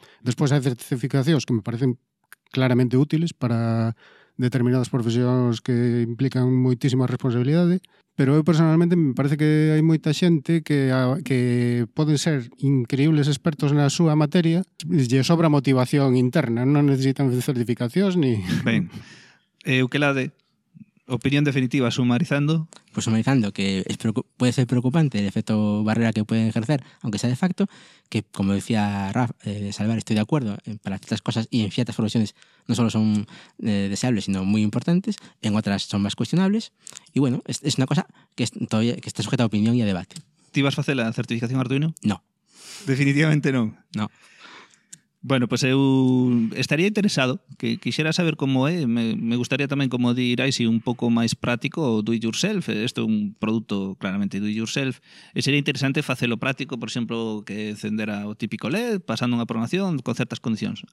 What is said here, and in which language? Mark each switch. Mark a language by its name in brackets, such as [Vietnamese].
[Galician] Despois hai certificacións que me parecen claramente útiles para determinadas profesións que implican moitísima responsabilidade, pero eu personalmente me parece que hai moita xente que poden ser increíbles expertos na súa materia, lle sobra motivación interna, non necesitan certificacións ni... Ben. Euclade, opinión definitiva, sumarizando. [Spanish] Pues sumarizando, que puede ser preocupante el efecto barrera que pueden ejercer, aunque sea de facto, que como decía Raf, Salvar, estoy de acuerdo, para ciertas cosas y en ciertas profesiones no solo son deseables, sino muy importantes, en otras son más cuestionables, y bueno, es una cosa que todavía que está sujeta a opinión y a debate. ¿Te ibas a hacer la certificación Arduino? No. Definitivamente no. No. [Galician] Bueno, pues eu estaría interesado, que quixera saber como é, [Spanish] me gustaría [Galician] tamén, como dirais, si un pouco máis práctico, [English] do it yourself, [Galician] isto é un produto claramente do it yourself, e sería interesante facelo práctico, por exemplo, que encendera o típico LED, pasando unha programación con certas condicións.